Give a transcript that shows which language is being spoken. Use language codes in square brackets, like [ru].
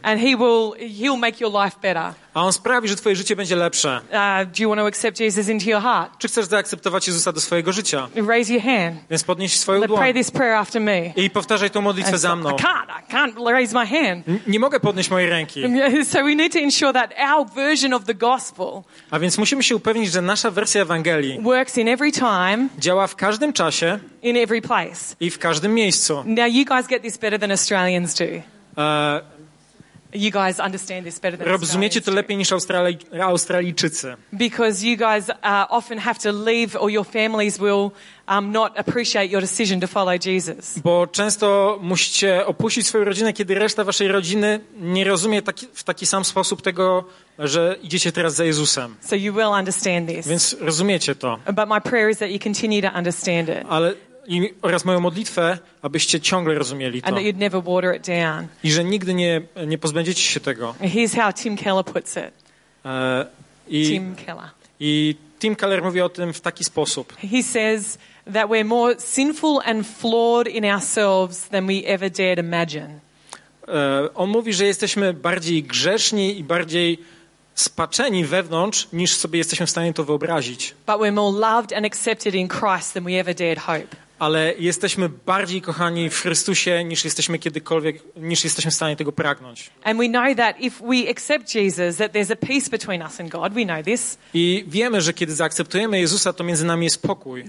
[en] And he'll make your life better. [pl] A on sprawi, że twoje życie będzie lepsze. [en] Do you want to accept Jesus into your heart? [pl] Czy chcesz zaakceptować Jezusa do swojego życia? [en] Raise your hand. [pl] Więc podnieś swoją dłoń. [en] Pray this prayer after me. [pl] I powtarzaj tę modlitwę za mną. [en] I can't raise my hand. [pl] Nie mogę podnieść mojej ręki. [en] So we need to ensure that our version of the gospel. [pl] A więc musimy się upewnić, że nasza wersja Ewangelii [en] works in every time. [pl] Działa w każdym czasie. [en] In every place. [pl] I w każdym miejscu. [en] Now you guys get this better than Australians do. You guys understand this better than Australians. [pl] Rozumiecie to lepiej niż Australijczycy. [en] Because you guys often have to leave or your families will not appreciate your decision to follow Jesus. [pl] Bo często musicie opuścić swoją rodzinę, kiedy reszta waszej rodziny nie rozumie w taki sam sposób tego, że idziecie teraz za Jezusem. [en] So you will understand this. [pl] Więc rozumiecie to. [en] But my prayer is that you continue to understand it. [pl] Ale oraz moją modlitwę, abyście ciągle rozumieli to. [en] And that you'd never water it down. [pl] I że nigdy nie pozbędziecie się tego. [en] Here's how Tim Keller puts it. [pl] Tim Keller. I Tim Keller mówi o tym w taki sposób. [en] He says that we're more sinful and flawed in ourselves than we ever dared imagine. [pl] On mówi, że jesteśmy bardziej grzeszni i bardziej spaczeni wewnątrz, niż sobie jesteśmy w stanie to wyobrazić. [en] But we're more loved and accepted in Christ than we ever dared hope. [pl] Ale jesteśmy bardziej kochani w Chrystusie niż jesteśmy kiedykolwiek, niż jesteśmy w stanie tego pragnąć. [en] And we know that if we accept Jesus, that there's a peace between us and God. We know this. [pl] I wiemy, że kiedy zaakceptujemy Jezusa, to między nami jest pokój.